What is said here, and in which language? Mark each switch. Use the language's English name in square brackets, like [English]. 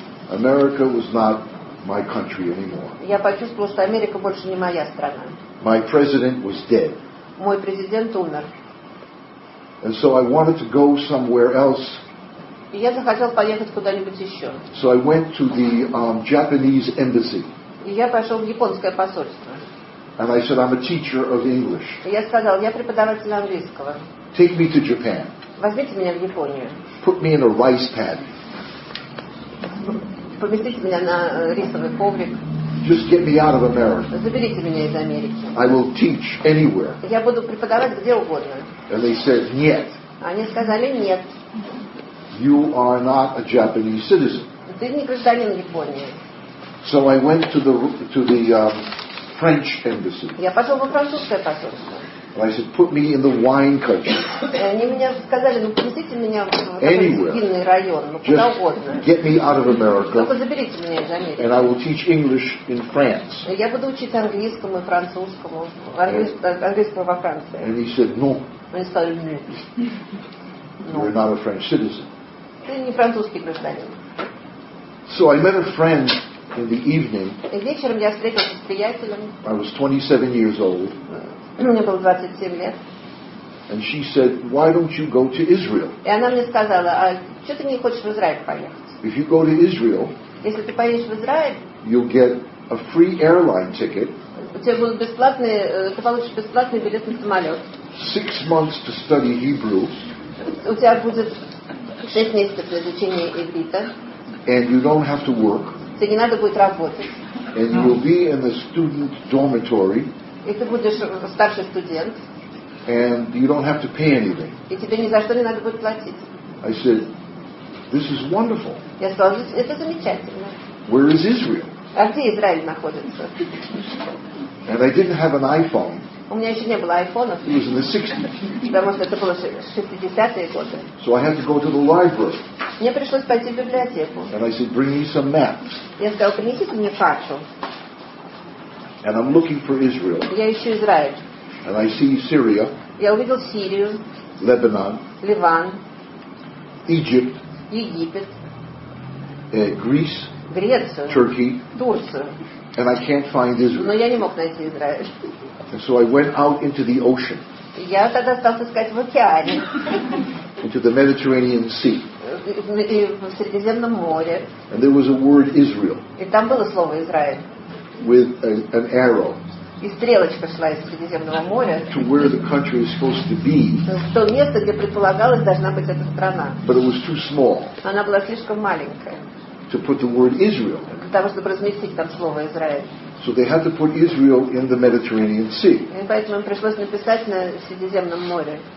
[English] America was not my country anymore. [Russian] Я почувствовал, что Америка больше не моя страна. [English] My president was dead. [Russian] Мой президент умер. [English] And so I wanted to go somewhere else. [Russian] И я захотел поехать куда-нибудь еще. [English] So I went to the Japanese embassy. [Russian] И я пошел в японское посольство. [English] And I said, I'm a teacher of English. [Russian] И я сказал, я преподаватель английского. [English] Take me to Japan. [Russian] Возьмите меня в Японию. [English] Put me in a rice paddy. [Russian] Поместите меня на рисовый коврик. [English] Just get me out of America. [Russian] Заберите меня из Америки. [English] I will teach anywhere. [Russian] Я буду преподавать где угодно. [English] And they said, нет. [Russian] Они сказали, нет. [English] You are not a Japanese citizen. [Russian] Ты не гражданин Японии. [English] So I went to the French embassy. [Russian] Я пошел во французское посольство. [English] And I said, put me in the wine country. [Russian] Они мне сказали, ну поместите меня в такой винный район, ну куда угодно. [English] Get me out of America. [Russian] Только заберите меня из Америки. [English] And I will teach English in France. [Russian] Я буду учить английскому и французскому, английскому во Франции. [English] And he said, no. [Russian] Они сказали, нет. [English] You are not a French citizen. [Russian] Ты не французский гражданин. [English] So I met a friend in the evening. [Russian] И вечером я встретился с приятелем. [English] I was 27 years old. [Russian] Мне было 27 лет. [English] And she said, why don't you go to Israel? [Russian] И она мне сказала, а что ты не хочешь в Израиль поехать? [English] If you go to Israel, [Russian] если ты поедешь в Израиль, [English] you'll get a free airline ticket. [Russian] Ты получишь бесплатный билет на самолет. [English] 6 months to study Hebrew. [Russian] У тебя будет 6 месяцев для изучения иврита. [English] And you don't have to work. [Russian] Тебе не надо будет работать. [English] And you will be in the student dormitory. [Russian] И ты будешь старший студент. [English] And you don't have to pay anything. [Russian] И тебе ни за что не надо будет платить. [English] I said, this is wonderful. [Russian] Я сказал, это замечательно. [English] Where is Israel? [Russian] А где Израиль находится? [English] And I didn't have an iPhone. [Russian] У меня еще не было iPhone. [English] It was in the 60s. [Russian] Потому что это было 60-е годы. [English] So I had to go to the library. [Russian] Мне пришлось пойти в библиотеку. [English] And I said, bring me some maps. [Russian] Я сказал, принесите мне карту. [English] And I'm looking for Israel. [Russian] Я ищу Израиль. [English] And I see Syria. [Russian] Я увидел Сирию. [English] Lebanon. [Russian] Ливан. [English] Egypt. [Russian] Египет. [English] Greece. [Russian] Грецию. [English] Turkey. [Russian] Турцию. [English] And I can't find Israel. [Russian] Но я не мог найти Израиль. [English] And so I went out into the ocean. [Russian] Я тогда стал искать в океане. [English] Into the Mediterranean Sea. [Russian] И в Средиземном море. [English] And there was a word Israel. [Russian] И там было слово Израиль. [English] With an arrow. [Russian] И стрелочка шла из Средиземного моря. [English] To where the country is supposed to be. [Russian] В то место, где предполагалось должна быть эта страна. [English] But it was too small. [Russian] Она была слишком маленькая. [English] To put the word Israel. [Russian] Для того, чтобы разместить там слово Израиль. [English] So they had to put Israel in the Mediterranean Sea. [Russian] И поэтому им пришлось написать на Средиземном море.